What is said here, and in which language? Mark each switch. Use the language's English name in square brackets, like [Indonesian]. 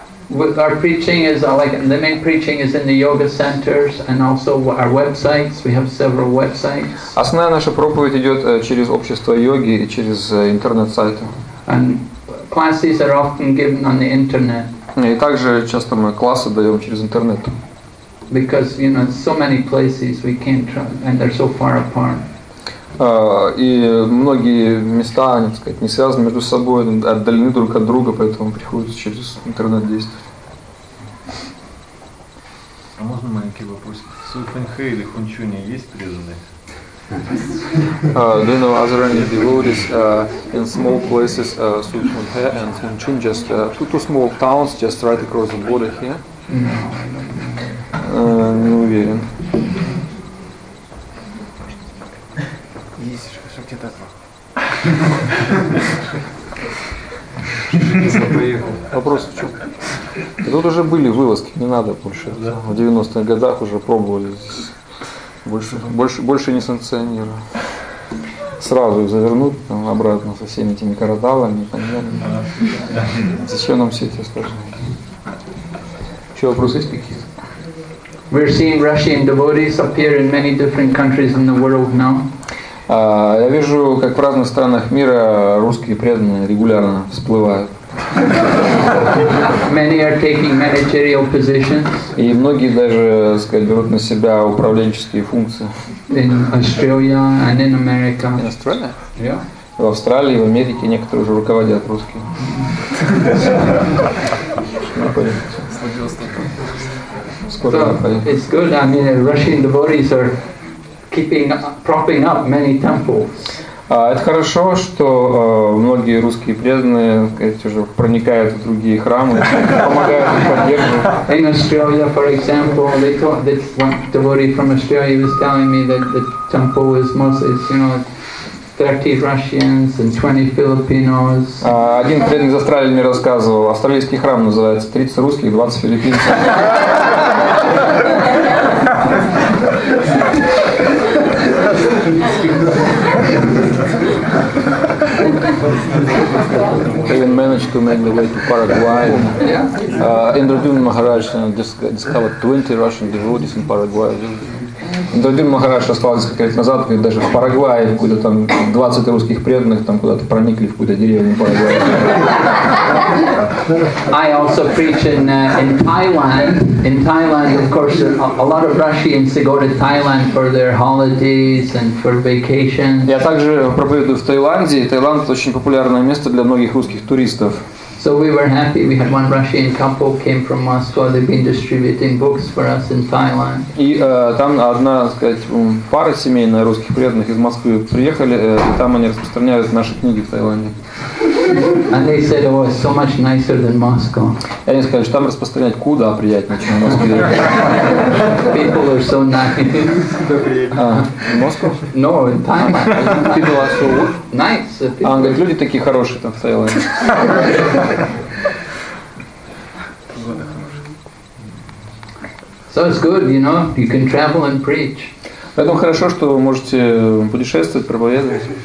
[English] Our preaching is like the main preaching is in the yoga centers and also our websites. We have several websites. [Russian] Основная наша проповедь идет через общество йоги и через интернет-сайты. [English] And classes are often given on the internet. [Russian] И также часто мы классы даем через интернет. [English] Because, you know, so many places we can't travel, and they're so far apart. [Russian] И многие места, так сказать, не связаны между собой, отдалены друг от друга, поэтому приходится через интернет действовать. А можно маленький вопрос? Су Фэнхэ или Хунчуне есть преданные? [English] Do you know other any devotees in small places, Su Fenghe and Hunchun, just two small towns just right across the border here? No, I don't know. [Russian] Вопрос в чем? Тут уже были вылазки, не надо больше. В 90-х годах уже пробовали здесь. Больше не санкционирую. Сразу их завернут там, обратно со всеми этими кардалами. Зачем нам все эти осложнения? Еще вопросы есть какие-то? [English] We're seeing Russian devotees appear in many different countries in the world now. [Russian] Я вижу, как в разных странах мира русские преданные регулярно всплывают. [English] Many are taking managerial positions. [Russian] И многие даже, так сказать, берут на себя управленческие функции. [English] In Australia and in America. In Australia? Yeah. [Russian] В Австралии, в Америке некоторые уже руководят русские. Скоро поедем. [English] It's good. I mean, Russian devotees are keeping propping up many temples. [Russian] Это хорошо, что многие русские преданные, сказать, уже проникают в другие храмы, помогают и поддерживают. [English] In Australia, for example, this devotee from Australia was telling me that the temple is mostly, you know, 30 Russians and 20 Filipinos. [Russian] Один преданный из Австралии мне рассказывал, австралийский храм называется 30 русских, 20 филиппинцев. [English] Even managed to make the way to Paraguay. Indradyum Maharaj discovered 20 Russian devotees in Paraguay. [Russian] Indradyum Maharaj осталось несколько лет назад, когда даже в Парагвае куда там 20 русских преданных там куда-то проникли в какую-то деревню Парагвая. [English] I also preach in Thailand. In Thailand, of course, a lot of Russians go to Thailand for their holidays and for vacations. [Russian] Я также проповедую в Таиланде. Таиланд очень популярное место для многих русских туристов. [English] So we were happy. We had one Russian couple came from Moscow. They've been distributing books for us in Thailand. [Russian] И там одна, сказать, пара семейная русских преданных из Москвы приехали, и там они распространяют наши книги в Таиланде. [English] And they said, "Oh, it's so much nicer than Moscow." [Russian] И они сказали, что там распространять куда приятнее, чем в Москве. [English] People are so nice. [Russian] Москва? [English] No, in Thailand. People are so nice. [Russian] А он говорит, люди такие хорошие там в Таиланде. [English] So it's good, you know, you can travel and preach. [Russian] Поэтому хорошо, что вы можете путешествовать, проповедовать.